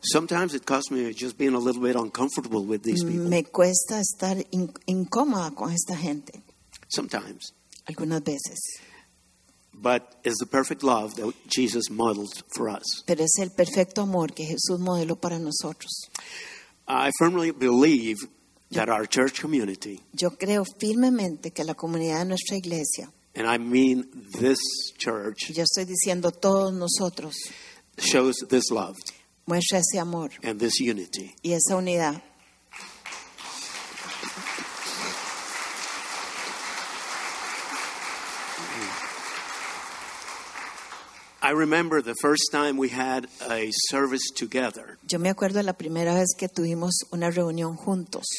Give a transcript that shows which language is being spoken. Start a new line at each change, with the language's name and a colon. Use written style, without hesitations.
English: Sometimes it costs me just being a little bit uncomfortable with these people.
Spanish: Me cuesta estar incómoda con esta gente.
English: Sometimes.
Spanish: Algunas veces.
English: But it's the perfect love that Jesus modeled for us.
Spanish: Pero es el perfecto amor que Jesús modeló para nosotros.
English: I firmly believe that our church community.
Spanish: Yo creo firmemente que la comunidad de nuestra iglesia.
English: And I mean this church.
Spanish: Yo estoy diciendo todos nosotros.
English: Shows this love.
Spanish: Muestra ese amor.
English: And this unity.
Spanish: Y esa unidad.
English: I remember the first time we had a service together.
Spanish: Yo me acuerdo la primera vez que tuvimos una reunión juntos.